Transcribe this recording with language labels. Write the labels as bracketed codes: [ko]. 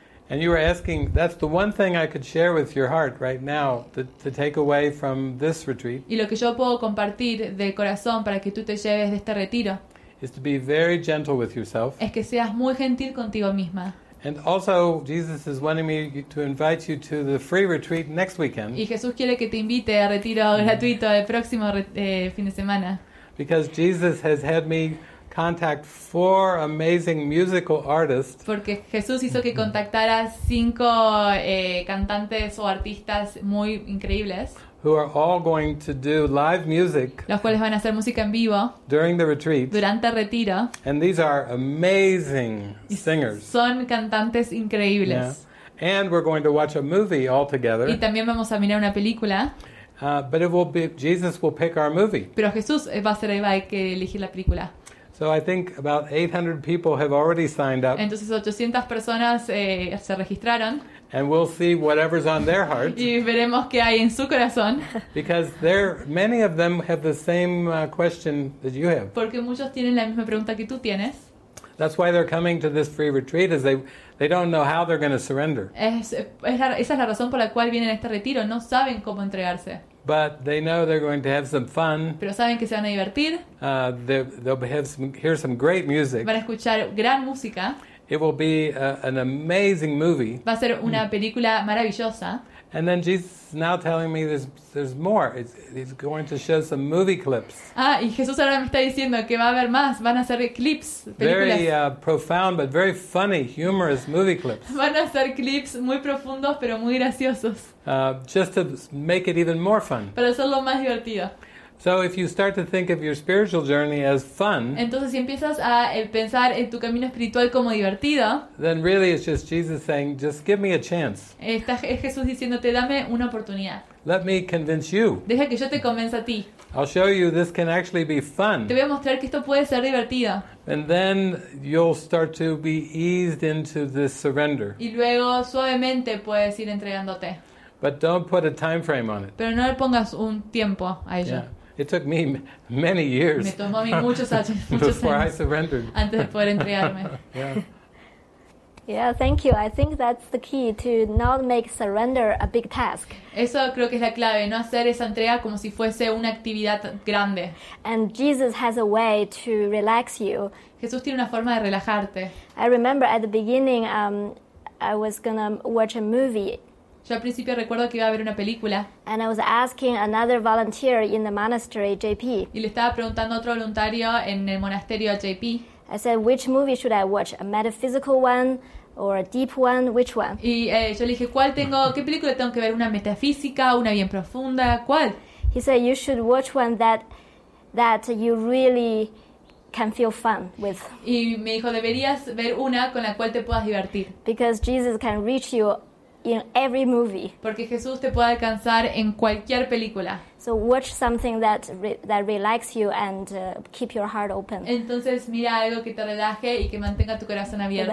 [en] And you were asking, that's the one thing I could share with your heart right now to take away from this retreat. [es] Y lo que yo puedo compartir del corazón para que tú te lleves de este retiro [en] is to be very gentle with yourself. [es] Es que seas muy gentil contigo misma. [en] And also, Jesus is wanting me to invite you to the free retreat next weekend. [es] Y Jesús quiere que te invite a retiro gratuito el próximo fin de semana. [en] Because Jesus has had me contact 4 amazing musical artists. [es] Porque Jesús hizo que contactara 5 cantantes o artistas muy increíbles. [en] Who are all going to do live music. [es] Los cuales van a hacer música en vivo. [en] During the retreat. [es] Durante el retiro. [en] And these are amazing singers. [es] Son cantantes increíbles. Yeah. [en] And we're going to watch a movie all together. [es] Y también vamos a mirar una película. [en] But it will be Jesus will pick our movie. [es] Pero Jesús va a ser el que elegir la película. [en] So I think about 800 people have already signed up. [es] Entonces 800 personas se registraron. [en] And we'll see whatever's on their hearts. [es] Y veremos qué hay en su corazón. [en] Because there many of them have the same question that you have. [es] Porque muchos tienen la misma pregunta que tú tienes. [en] That's why they're coming to this free retreat is they don't know how they're going to surrender. [es] Esa es la razón por la cual vienen a este retiro, no saben cómo entregarse. [en] But they know they're going to have some fun. [es] Pero saben que se van a divertir. [en] They'll have hear some great music. [es] Van a escuchar gran música. [en] It will be an amazing movie. [es] Va a ser una película maravillosa. [en] And then Jesus is now telling me there's more. He's going to show some movie clips. [es] Ah, y Jesús ahora me está diciendo que va a haber más. Van a ser clips, películas. [en] Very profound, but very funny, humorous movie clips. [es] Van a ser clips muy profundos, pero muy graciosos. [en] Just to make it even more fun. [es] Para hacerlo más divertido. [en] So if you start to think of your spiritual journey as fun, [es] entonces si empiezas a pensar en tu camino espiritual como divertido, [en] then really it's just Jesus saying, just give me a chance. [es] Está Jesús diciéndote, dame una oportunidad. [en] Let me convince you. [es] Deja que yo te convenza a ti. [en] I'll show you this can actually be fun. [es] Te voy a mostrar que esto puede ser divertido. [en] And then you'll start to be eased into this surrender. [es] Y luego suavemente puedes ir entregándote. [en] But don't put a time frame on it. [es] Pero no le pongas un tiempo a ello. [en] Yeah. It took me many years [es] me tomó a mí muchos años, before I surrendered. Antes de poder entregarme. Yeah. [en] Yeah, thank you. I think that's the key to not make surrender a big task. [es] Eso creo que es la clave, no hacer esa entrega como si fuese una actividad grande. [en] And Jesus has a way to relax you. [es] Jesús tiene una forma de relajarte. [en] I remember at the beginning, I was gonna watch a movie. [es] Yo al principio recuerdo que iba a ver una película. [en] And I was asking another volunteer in the monastery, JP. [es] Y le estaba preguntando a otro voluntario en el monasterio, JP. [en] I said, which movie should I watch? A metaphysical one or a deep one? Which one? [es] Y yo le dije, ¿cuál tengo? ¿Qué película tengo que ver? ¿Una metafísica? ¿Una bien profunda? ¿Cuál? [en] He said, you should watch one that you really can feel fun with. [es] Y me dijo, deberías ver una con la cual te puedas divertir. [en] Because Jesus can reach you in every movie. [es] Porque Jesús te puede alcanzar en cualquier película. [en] So watch something that relax you and keep your heart open. [es] Entonces mira algo que te relaje y que mantenga tu corazón abierto.